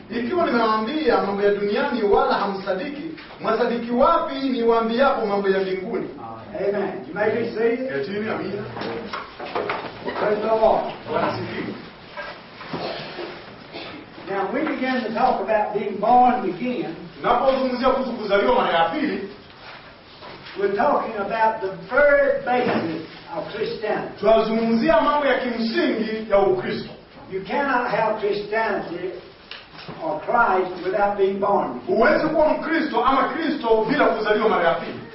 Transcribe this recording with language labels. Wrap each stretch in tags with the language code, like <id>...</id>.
<sw>Ikiwa nimewaambia mambo ya duniani wala hamsadiki, mwasadiki wapi niwaambiapo mambo ya mbinguni?</sw> <en>Amen. You may be seated. Continue, amen. Praise the Lord. Now we begin to talk about being born again.</en> <sw>Napozungumzia kuhusu kuzaliwa mara ya pili.</sw> <en>We're talking about the very basis of Christianity.</en> <sw>Tunazungumzia mambo ya kimsingi ya Ukristo.</sw> <en>You cannot have Christianity or Christ without being born.</en> <sw>Huwezi kuwa Mkristo ama Kristo bila kuzaliwa mara ya pili.</sw>